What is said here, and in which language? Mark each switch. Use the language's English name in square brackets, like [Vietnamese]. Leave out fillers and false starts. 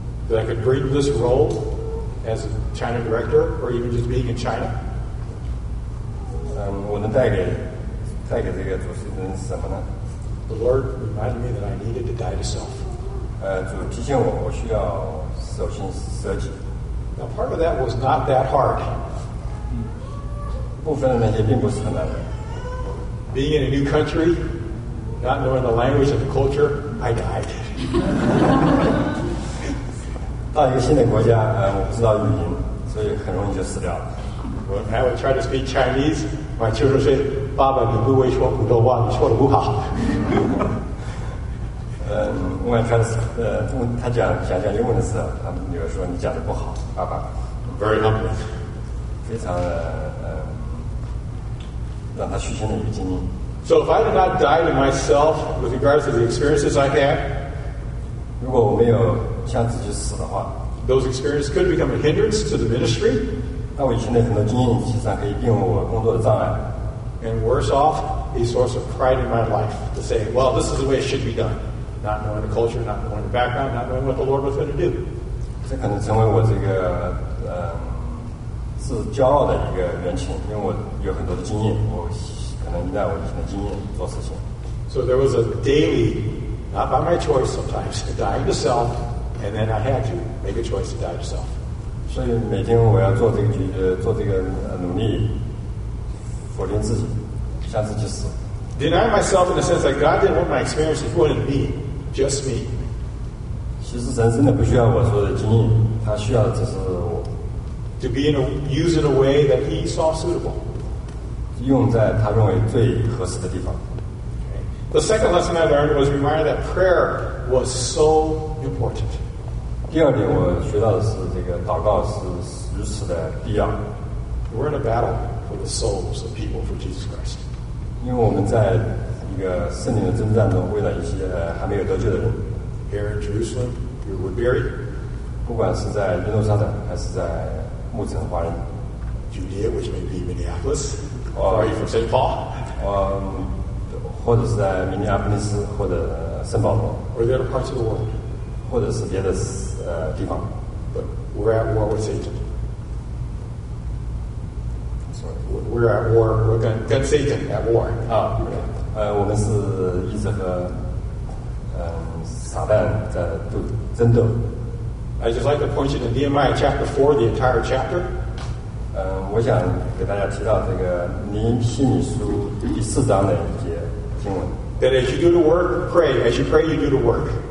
[English] that I could bring this role. As a China director, or even just being in China, [Chinese] 我能带给这个主持人是什么呢 [English] ？The Lord reminded me that I needed to die to self. [Chinese] 主提醒我，我需要首先舍己。 [English] Now, part of that was not that hard. [Chinese] 部分的那些并不是很难的。 [English] Being in a new country, not knowing the language and the culture, I died. [Chinese] 到一个新的国家，我不知道语音，所以很容易就死掉了。 [English] When I would try to speak Chinese, my children say, [Chinese] 爸爸你不会说普通话，你说的不好。我他讲英文的时候，他们女儿说你讲的不好，爸爸。 [English] Very humble. [Chinese] 非常的让他虚心的一个经历。 [English] So if I did not die to myself with regards to the experiences I had, [Chinese] 如果我没有像自己死的话 [English] those experiences could become a hindrance to the ministry. [Chinese] 那我以前的很多经验实际上可以变为我工作的障碍 [English] And worse off, a source of pride in my life to say, well, this is the way it should be done. Not knowing the culture, not knowing the background, not knowing what the Lord was going to do. [Chinese] 这可能成为我这个是骄傲的一个源泉，因为我有很多的经验，我可能依赖我以前的经验做事情。 [English] So there was a daily, not by my choice sometimes, dying to self. And then I had to make a choice to die to self. [Chinese] 所以每天我要做这个做这个努力，否定自己，向自己死。 [English] Deny myself in the sense that God didn't want my experience to be just me. [Chinese] 其实神真的不需要我所有的经验，他需要的只是我。 [English] To be used in a way that He saw suitable. [Chinese] 用在他认为最合适的地方。 [English] The second lesson I learned was reminded that prayer was so important. [Chinese] 第二点我学到的是这个祷告是如此的必要。 [English] We're in a battle for the souls of people for Jesus Christ. [Chinese] 因为我们在一个圣灵的征战中，为了一些还没有得救的人。 [English] Here in Jerusalem, you're Woodbury. [Chinese] 不管是在耶路撒冷还是在牧城华人。 [English] Judea, which may be Minneapolis, or even from St. Paul. [Chinese] 或者是在明尼阿波利斯，或者圣保罗， [English] or the other parts of the world. [Chinese] 或者是别的地方。 [English] But we're at war with Satan. Sorry, we're at war. We're against Satan at war. [Chinese] 我们是一直和撒旦在争斗。 [English] I just like to point you to Nehemiah chapter 4, the entire chapter. [Chinese] 我想给大家提到这个尼希米书第四章的一节。 [English] That as you do the work, pray. As you pray, you do the work.